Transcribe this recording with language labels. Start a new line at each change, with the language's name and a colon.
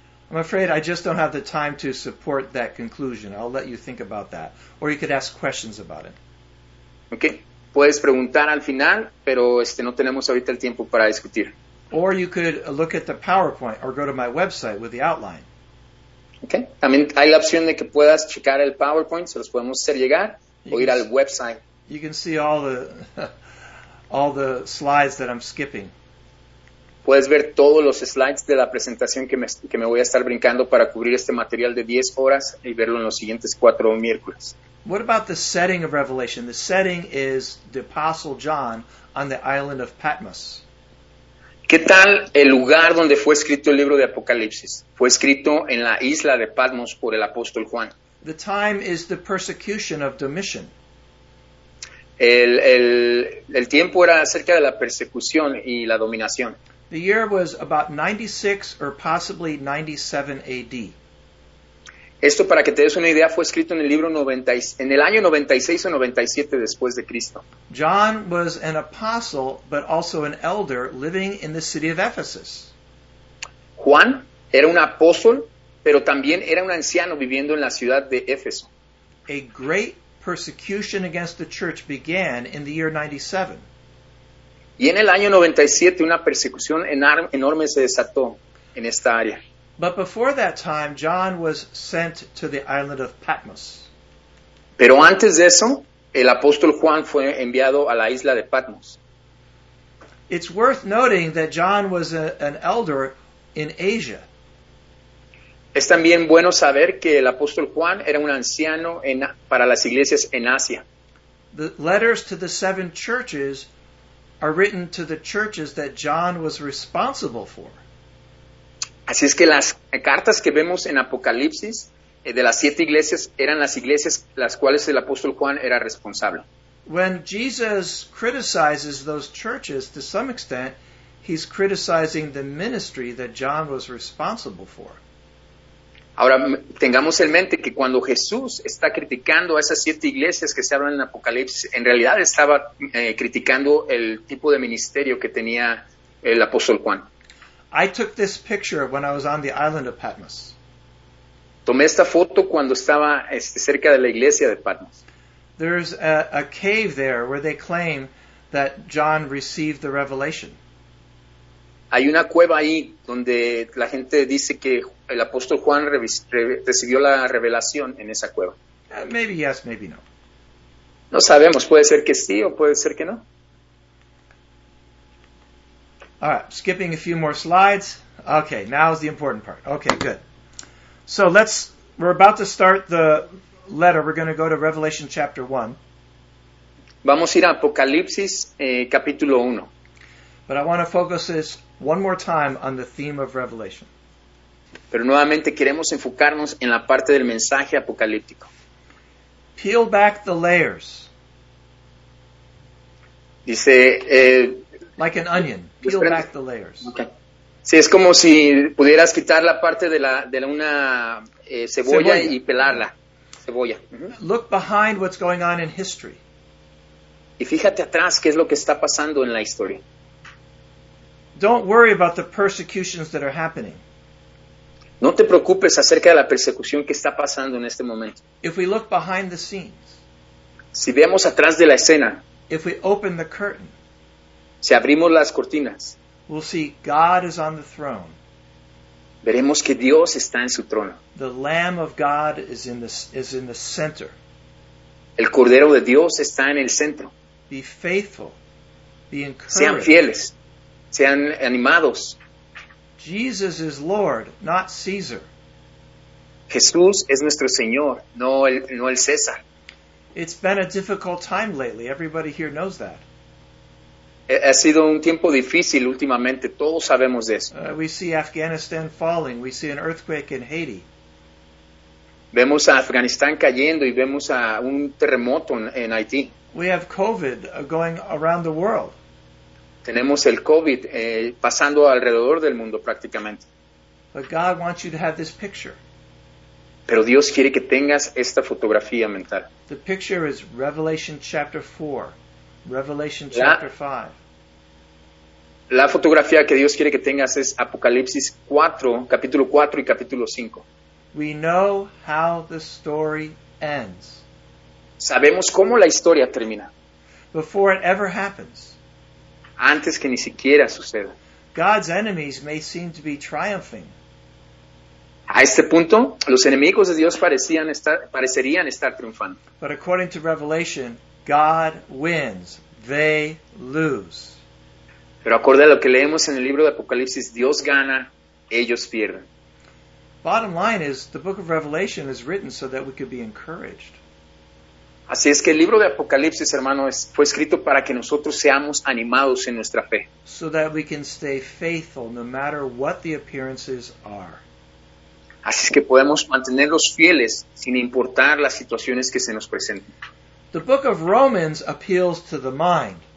English: I'm afraid I just don't have the time to support that conclusion. I'll let you think about that. Or you could ask questions about it. Okay.
Spanish: Puedes preguntar al final, pero no tenemos ahorita el tiempo para discutir.
English: Or you could look at the PowerPoint or go to my website with the outline. Okay.
Spanish: También hay la opción de que puedas checar el PowerPoint, se los podemos hacer llegar, o ir al website.
English: You can see all the slides that I'm skipping.
Spanish: Puedes ver todos los slides de la presentación que me voy a estar brincando para cubrir este material de 10 horas y verlo en los siguientes 4 miércoles.
English: What about the setting of Revelation? The setting is the Apostle John on the island of Patmos.
Spanish: ¿Qué tal el lugar donde fue escrito el libro de Apocalipsis? Fue escrito en la isla de Patmos por el apóstol Juan.
English: The time is the persecution of Domitian.
Spanish: El tiempo era acerca de la persecución y la dominación.
English: The year was about 96 or possibly 97 AD.
Spanish: Esto, para que te des una idea, fue escrito en el libro 96 o 97 después de Cristo.
English: John was an apostle, but also an elder living in the city of Ephesus.
Spanish: Juan era un apóstol, pero también era un anciano viviendo en la ciudad de Éfeso.
English: A great persecution against the church began in the year 97.
Spanish: Y en el año 97 una persecución enorme se desató en esta área.
English: But before that time, John was sent to the island of Patmos.
Spanish: Pero antes de eso, el apóstol Juan fue enviado a la isla de Patmos.
English: It's worth noting that John was an elder in Asia.
Spanish: Es también bueno saber que el apóstol Juan era un anciano para las iglesias en Asia.
English: The letters to the seven churches are written to the churches that John was responsible for.
Spanish: Así es que las cartas que vemos en Apocalipsis de las siete iglesias eran las iglesias las cuales el apóstol Juan era responsable.
English: When Jesus criticizes those churches, to some extent, he's criticizing the ministry that John was responsible for.
Spanish: Ahora, tengamos en mente que cuando Jesús está criticando a esas siete iglesias que se hablan en Apocalipsis, en realidad estaba criticando el tipo de ministerio que tenía el apóstol Juan.
English: I took this picture when I was on the island of Patmos.
Spanish: Tomé esta foto cuando estaba cerca de la iglesia de Patmos.
English: There's a cave there where they claim that John received the revelation.
Spanish: Hay una cueva ahí donde la gente dice que el apóstol Juan recibió la revelación en esa cueva.
English: Maybe yes, maybe no.
Spanish: No sabemos, puede ser que sí o puede ser que no.
English: All right, skipping a few more slides. Okay, now is the important part. Okay, good. So we're about to start the letter. We're going to go to Revelation chapter 1.
Spanish: Vamos a ir a Apocalipsis capítulo 1.
English: But I want to focus this one more time on the theme of Revelation.
Spanish: Pero nuevamente queremos enfocarnos en la parte del mensaje apocalíptico.
English: Peel back the layers.
Spanish: Dice,
English: like an onion, peel pues back the layers. Okay.
Spanish: Sí, es como si pudieras quitar la parte de la una cebolla y pelarla. Cebolla. Uh-huh.
English: Look behind what's going on in history.
Spanish: Y fíjate atrás qué es lo que está pasando en la historia.
English: Don't worry about the persecutions that are happening.
Spanish: No te preocupes acerca de la persecución que está pasando en este momento.
English: If we look behind the scenes,
Spanish: si vemos atrás de la escena,
English: if we open the curtain,
Spanish: si abrimos las cortinas,
English: we'll see God is on the throne.
Spanish: Veremos que Dios está en su trono.
English: The Lamb of God is in the center.
Spanish: El Cordero de Dios está en el centro.
English: Be faithful. Be encouraged.
Spanish: Sean fieles. Sean animados.
English: Jesus is Lord, not Caesar.
Spanish: Jesús es nuestro Señor, no el César.
English: It's been a difficult time lately. Everybody here knows that.
Spanish: Ha sido un tiempo difícil últimamente. Todos sabemos de eso.
English: We see Afghanistan falling. We see an earthquake in Haiti.
Spanish: Vemos a Afganistán cayendo y vemos a un terremoto en Haití.
English: We have COVID going around the world.
Spanish: Tenemos el COVID pasando alrededor del mundo prácticamente.
English: But God wants you to have this picture.
Spanish: Pero Dios quiere que tengas esta fotografía mental.
English: The picture is Revelation chapter 4, Revelation chapter 5.
Spanish: La fotografía que Dios quiere que tengas es Apocalipsis 4, capítulo 4 y capítulo 5.
English: We know how the story ends.
Spanish: Sabemos cómo la historia termina.
English: Before it ever happens.
Spanish: Antes que ni siquiera suceda.
English: God's enemies may seem to be triumphing.
Spanish: A este punto, los enemigos de Dios parecerían estar triunfando.
English: But according to Revelation, God wins, they lose.
Spanish: Pero acorde a lo que leemos en el libro de Apocalipsis, Dios gana, ellos pierden.
English: Bottom line is, the book of Revelation is written so that we could be encouraged.
Spanish: Así es que el libro de Apocalipsis, hermano, fue escrito para que nosotros seamos animados en nuestra fe.
English: So that we can stay faithful no matter what the appearances are.
Spanish: Así es que podemos mantenerlos fieles sin importar las situaciones que se nos presenten.
English: The book of Romans appeals to the mind.